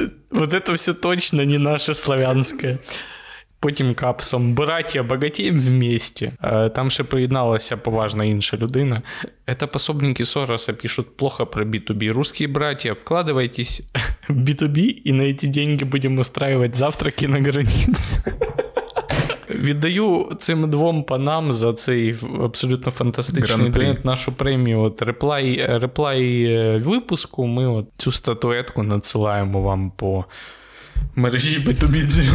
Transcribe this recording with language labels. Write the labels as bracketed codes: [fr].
[ru] Вот это все точно не наше славянское. [uk] Потім капсом. Браття, багатієм вместе. Там ще приєдналася поважна інша людина. [ru] Это пособники Сороса пишут плохо про B2B. Русские браття, вкладывайтесь в B2B, и на эти деньги будем устраивать завтраки на границе. [uk] Віддаю цим двом панам за цей абсолютно фантастичний донат нашу премію. От реплай випуску, ми от цю статуетку надсилаємо вам по мережі B2B.